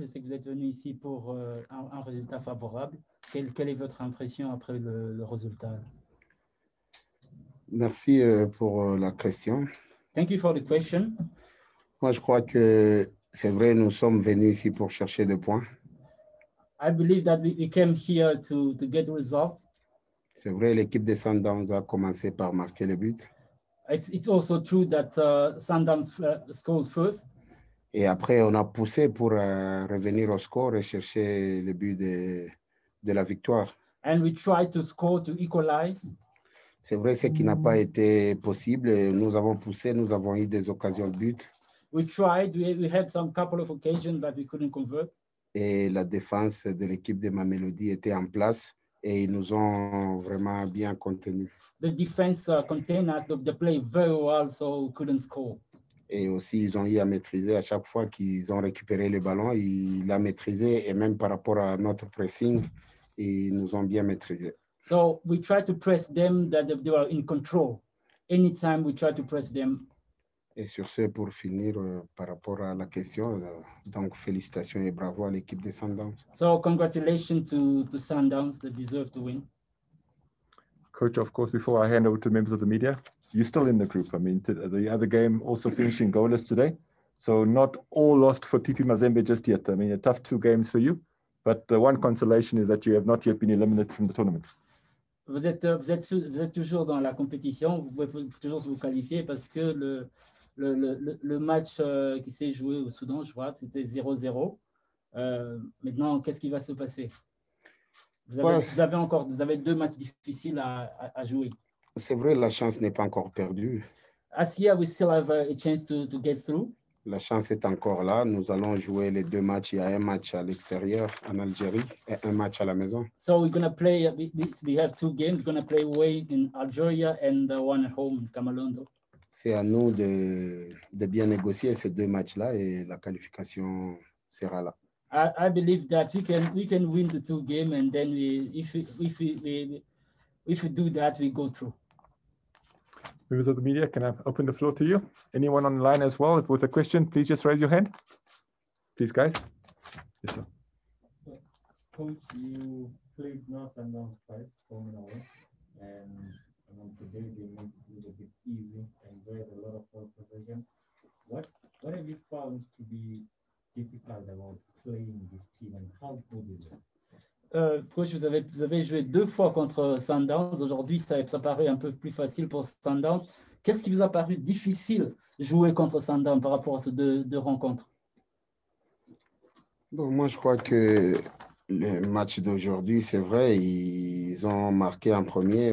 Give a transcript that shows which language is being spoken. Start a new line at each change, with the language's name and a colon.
French: Je sais que vous êtes venu ici pour un résultat favorable. Quelle est votre impression après le résultat? Merci pour la question.
English: Thank you for the question.
French: Moi, je crois que c'est vrai, nous sommes venus ici pour chercher des points.
English: I believe that we came here to get results.
French: C'est vrai, l'équipe des Sundowns a commencé par marquer le but.
English: It's also true that Sundowns scored first.
French: Et après, on a poussé pour revenir au score et chercher le but de la victoire.
English: And we tried to score to equalize.
French: C'est vrai, ce qui n'a pas été possible. Nous avons poussé, nous avons eu des occasions de but.
English: We tried, we had some couple of occasions that we couldn't convert.
French: Et la défense de l'équipe de Mamelodi était en place et ils nous ont vraiment bien contenus.
English: The defense contained us, they played very well, so we couldn't score.
French: Et aussi, ils ont eu à maîtriser à chaque fois qu'ils ont récupéré le ballon, ils l'ont maîtrisé et même par rapport à notre pressing, ils nous ont bien maîtrisé.
English: So we tried to press them that they were in control. Anytime we tried to press them.
French: Et sur ce, pour finir, par rapport à la question, donc félicitations et bravo à l'équipe de Sundowns.
English: So, congratulations to Sundowns, they deserve to win. Coach, of course, before I hand over to members of the media, you're still in the group. I mean, the other game also finishing goalless today. So, not all lost for TP Mazembe just yet. I mean, a tough two games for you. But the one consolation is that you have not yet been eliminated from the tournament.
French: Vous êtes toujours dans la compétition, vous pouvez toujours vous qualifier parce que le match qui s'est joué au Soudan, je crois, c'était 0-0. Maintenant, qu'est-ce qui va se passer? Vous avez deux matchs difficiles à jouer. C'est vrai, la chance n'est pas encore perdue.
English: As yet, we still have a chance to get through.
French: La chance est encore là. Nous allons jouer les deux matchs. Il y a un match à l'extérieur en Algérie et un match à la maison.
English: So we're gonna play. We have two games. We're gonna play away in Algeria and one at home in Cameroon.
French: C'est à nous de bien négocier ces deux matchs-là et la qualification sera là.
English: I believe that we can win the two games and then if we do that we go through. Members of the media, can I open the floor to you? Anyone online as well, if with a question, please just raise your hand. Please, guys. Yes, sir. Coach, you played North and North twice, 4-0. And today they made it a bit easy and had a lot of ball possession. What have you found to be difficult about playing this team and how good is it?
French: Coach, vous avez joué deux fois contre Sundowns. Aujourd'hui, ça paraît un peu plus facile pour Sundowns. Qu'est-ce qui vous a paru difficile jouer contre Sundowns par rapport à ces deux rencontres? Bon, moi, je crois que le match d'aujourd'hui, c'est vrai, ils ont marqué en premier.